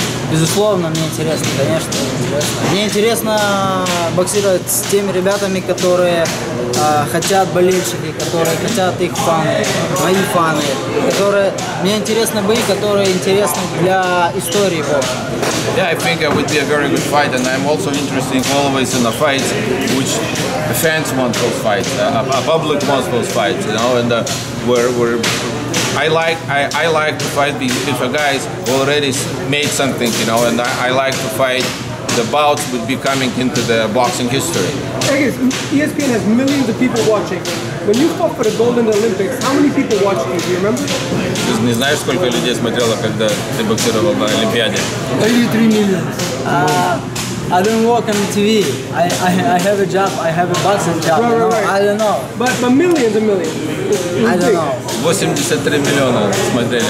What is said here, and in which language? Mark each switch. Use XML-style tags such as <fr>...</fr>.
<ru>Безусловно, мне интересно, конечно. Мне интересно боксировать с теми ребятами, которые хотят болельщики, которые хотят их фаны, мои фаны. Которые... Мне интересны бои, которые интересны для истории бокса.</ru> <en>Yeah, I think it would be a very good fight, and I'm also interested always in the fights which the fans want those fights, a public wants those fights, you know, and where I like to fight if a guy's already made something, you know, and I like to fight the bouts would be coming into the boxing history. I guess ESPN has millions of people watching. When you fought for the gold in the Olympics, how many people watched you? Do you remember?</en> <ru>Ты не знаешь, сколько людей смотрело, когда ты боксировал на Олимпиаде?</ru> <en>83 million. I don't work on TV. I have a job. I have a boxing job. Right, right, right. I don't know. But millions and millions. I don't know.</en> <ru>83 миллиона смотрели</ru>